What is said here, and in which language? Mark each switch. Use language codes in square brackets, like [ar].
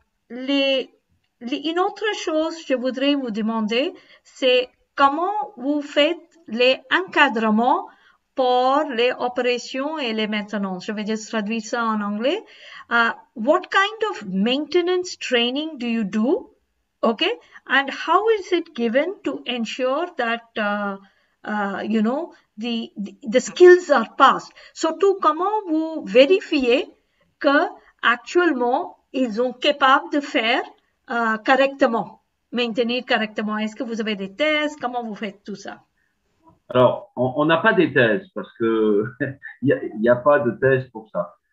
[fr] Une autre chose je voudrais vous demander, c'est comment vous faites les encadrements pour les opérations et les maintenances. Je vais juste traduire ça en anglais. [en] What kind of maintenance training do you do? Okay. And how is it given to ensure that, the skills are passed? [fr] Surtout, comment vous vérifiez que actuellement ils sont capables de faire correctement, maintenir correctement? Est-ce que vous avez des thèses? Comment vous faites tout ça? Alors, on n'a pas des thèses parce que il y a pas de thèse pour ça.